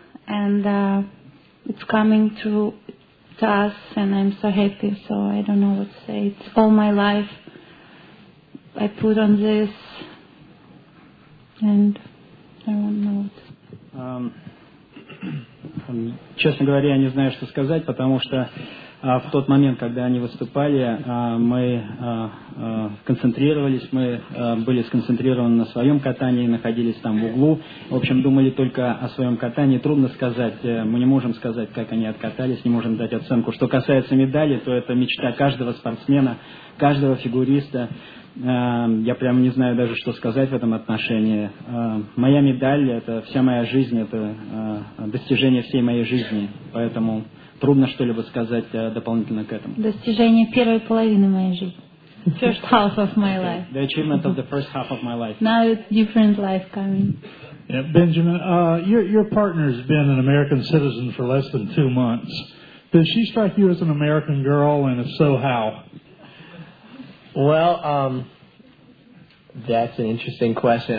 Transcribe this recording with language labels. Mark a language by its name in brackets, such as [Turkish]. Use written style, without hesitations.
[English] And it's coming true to us, and I'm so happy, so I don't know what to say. It's all my life I put on this, and I don't know what to say. [Russian] Честно говоря, я не знаю, что сказать, потому что в тот момент, когда они выступали, мы концентрировались, мы были сконцентрированы на своем катании, находились там в углу. В общем, думали только о своем катании. Трудно сказать, мы не можем сказать, как они откатались, не можем дать оценку. Что касается медали, то это мечта каждого спортсмена, каждого фигуриста. Я прямо не знаю даже, что сказать в этом отношении. Моя медаль – это вся моя жизнь, это достижение всей моей жизни. Поэтому трудно что-либо сказать дополнительно к этому. Достижение первой половины моей жизни. [English] First half of my life. The achievement of the first half of my life. Now it's different life coming. Yeah, Benjamin, your partner's been an American citizen for less than 2 months. Does she strike you as an American girl, and if so, how? Well, that's an interesting question.